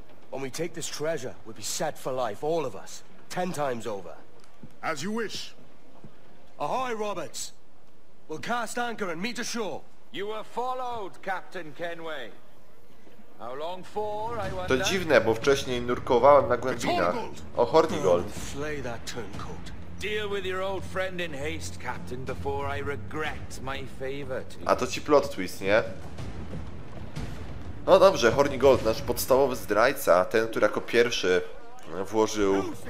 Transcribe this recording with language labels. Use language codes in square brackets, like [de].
[en] When we take this treasure, we'll be set for life, all of us, 10 times over. As you wish. Ahoy, Roberts. We'll cast anchor and meet ashore. You were followed, Captain Kenway. How long for, I wonder? [pl] To dziwne, bo wcześniej nurkowałem na głębinach. O, Hornigold. [en] Oh, slay that turncoat. Deal with your old friend in haste, Captain, before I regret my favor to you. [pl] A to ci plot twist, nie? No dobrze, Hornigold, nasz podstawowy zdrajca, ten, który jako pierwszy włożył...